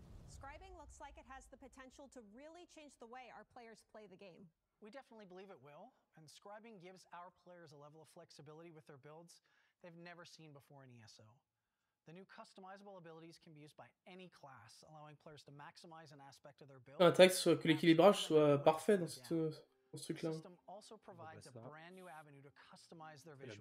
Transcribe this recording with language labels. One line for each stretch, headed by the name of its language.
English: Scribing looks like it has the potential to really change the way our players play the game. We definitely believe it will, and scribing gives our players a level of flexibility with their builds they've never seen before in ESO. The new customizable abilities can be used by any class, allowing players to maximize an aspect of their build.
French: Un texte soit que l'équilibrage soit parfait dans cette dans ce truc-là.
English: The system also provides a brand new avenue to customize their visuals.